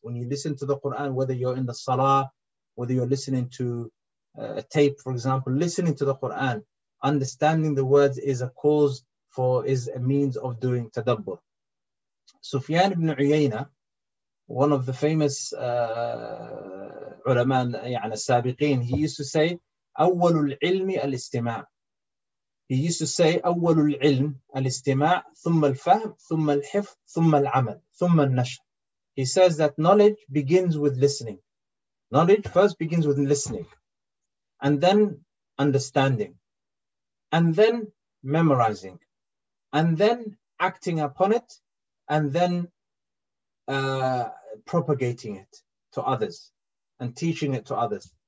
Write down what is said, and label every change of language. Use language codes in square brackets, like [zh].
[en] When you listen to the Quran, whether you're in the salah, whether you're listening to a tape, for example, listening to the Quran, understanding the words is a means of doing tadabbur. Sufyan ibn Uyayna, one of the famous ulama, [ar] يعني السابقين, [en] he used to say, [ar] أول العلم الاستماع. [en] He used to say, [ar] أول العلم الاستماع ثم الفهم ثم الحفظ ثم العمل ثم النشر. [en] He says that knowledge begins with listening. Knowledge first begins with listening, and then understanding, and then memorizing, and then acting upon it, and then propagating it to others and teaching it to others.